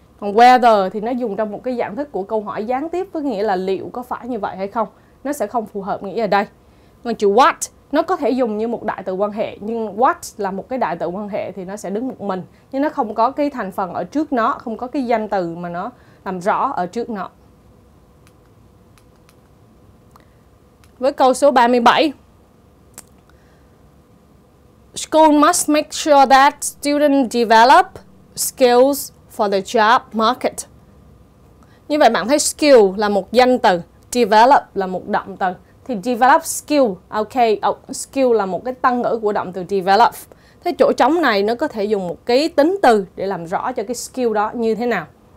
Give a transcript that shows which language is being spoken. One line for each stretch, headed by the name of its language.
Vietnamese: Còn whether thì nó dùng trong một cái dạng thức của câu hỏi gián tiếp với nghĩa là liệu có phải như vậy hay không. Nó sẽ không phù hợp nghĩa ở đây. Còn chữ what nó có thể dùng như một đại từ quan hệ. Nhưng what là một cái đại từ quan hệ thì nó sẽ đứng một mình. Nhưng nó không có cái thành phần ở trước nó, không có cái danh từ mà nó làm rõ ở trước nó. Với câu số 37,
English: school must make sure that students develop skills for the job market.
Vietnamese: Như vậy bạn thấy skill là một danh từ, develop là một động từ. Thì develop skill, skill là một cái tăng ngữ của động từ develop. Thế chỗ trống này nó có thể dùng một cái tính từ để làm rõ cho cái skill đó như thế nào.